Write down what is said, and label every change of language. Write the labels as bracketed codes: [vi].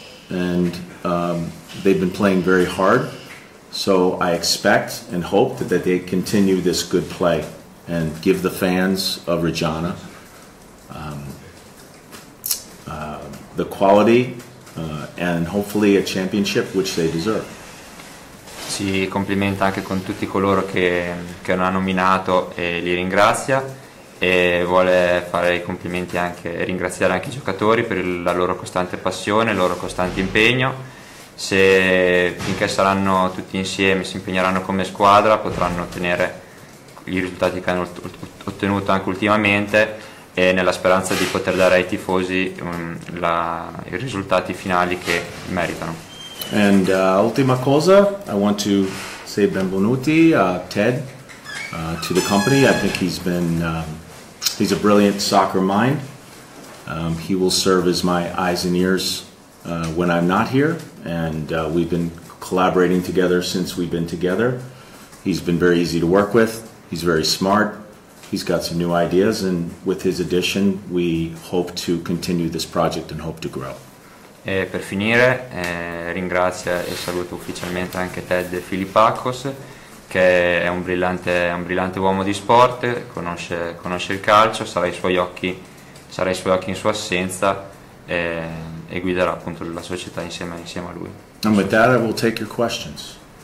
[en] And they've been playing very hard. So I expect and hope that they continue this good play and give the fans of Reggiana the quality and hopefully a championship which they deserve. [it] Si complimenta anche con tutti coloro che non ha nominato e li ringrazia. E vuole fare i complimenti anche e ringraziare anche i giocatori per la loro costante passione, il loro costante impegno. Se finché saranno tutti insieme, si impegneranno come squadra, potranno ottenere i risultati che hanno ottenuto anche ultimamente, e nella speranza di poter dare ai tifosi i risultati finali che meritano. [en] And [it] ultima cosa, [en] I want to say [it] benvenuti a [en] Ted to the company. I think he's been he's a brilliant soccer mind. He will serve as my eyes and ears when I'm not here. And we've been collaborating together since we've been together. He's been very easy to work with. He's very smart. He's got some new ideas, and with his addition, we hope to continue this project and hope to grow. [it] E per finire, ringrazio e saluto ufficialmente anche Ted Filippakos, che è un brillante uomo di sport, conosce il calcio, sarà i suoi occhi in sua assenza, e guiderà appunto la società insieme a lui. [en] And with that, I will take your questions.